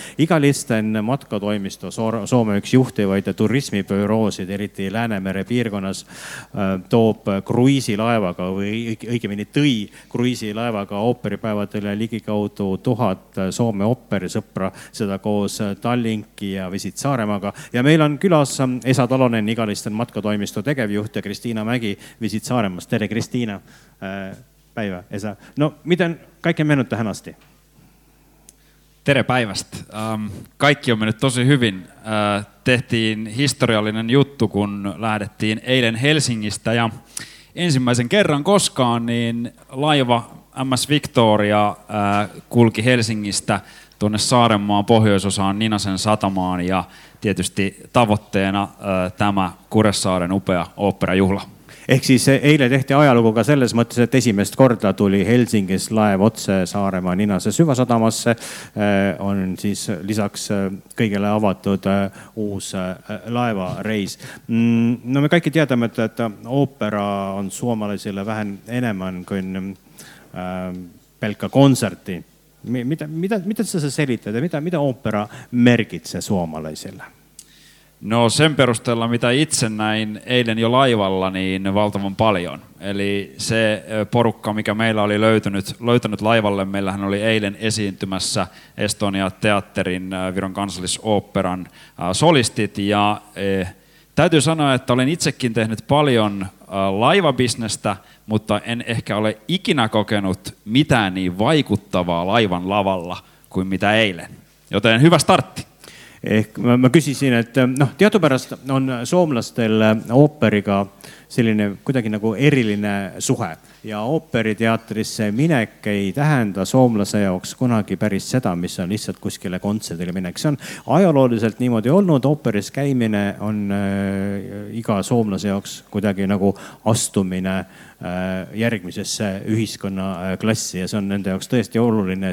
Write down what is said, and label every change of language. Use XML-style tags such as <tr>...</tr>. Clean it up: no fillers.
<et>Igalisten matkatoimisto Soome üks juhtivaid turismipüroosid, eriti Läänemere piirkonnas, toob kruiisilaevaga või õigemini tõi kruiisilaevaga ooperipäevadel ligikaudu 1000 Soome ooperisõpra, seda koos Tallinki ja Visit Saaremaga. Ja meil on külas Esa Talonen, Igalisten matkatoimisto tegevjuht ja Kristiina Mägi Visit Saaremast. Tere, Kristiina. Päivä, Esa.</et> <fi>No, miten kaikki on mennyt tähän asti?</fi> <et>Tere päivästä.</et> <fi>Kaikki on mennyt tosi hyvin. Tehtiin historiallinen juttu, kun lähdettiin eilen Helsingistä. Ja ensimmäisen kerran koskaan niin laiva MS Victoria kulki Helsingistä tuonne Saaremaan pohjoisosaan Ninasen satamaan ja tietysti tavoitteena tämä Kuressaaren upea oopperajuhla.</fi> <et>Ehk siis eile tehti ajalugu ka selles mõttes, et esimest korda tuli Helsingis laev otse Saaremaa Ninase süvasadamasse. On siis lisaks kõigele avatud uus laevareis.</et> <fi>No me kaikki teadame, et oopera on suomalaisille vähän enemmän kuin pelkka konserti. Mitä sä selität ja mitä opera merkitsee suomalaisille? No sen perusteella, mitä itse näin eilen jo laivalla, niin valtavan paljon. Eli se porukka, mikä meillä oli löytänyt laivalle, meillähän oli eilen esiintymässä Estonia-teatterin Viron kansallisoopperan solistit. Ja täytyy sanoa, että olen itsekin tehnyt paljon laivabisnestä, mutta en ehkä ole ikinä kokenut mitään niin vaikuttavaa laivan lavalla kuin mitä eilen. Joten hyvä startti. Mä kysisin, että no,</fi> <et>tietopärast on suomalaistel ooperiga selline kuidagi nagu eriline suhe. Ja ooperiteatrisse minek ei tähenda soomlase jaoks kunagi päris seda, mis on lihtsalt kuskile kontsertile minek. See on ajalooliselt niimoodi olnud. Ooperis käimine on iga soomlase jaoks kuidagi nagu astumine järgmisesse ühiskonna klassi ja see on nende jaoks tõesti oluline.</et>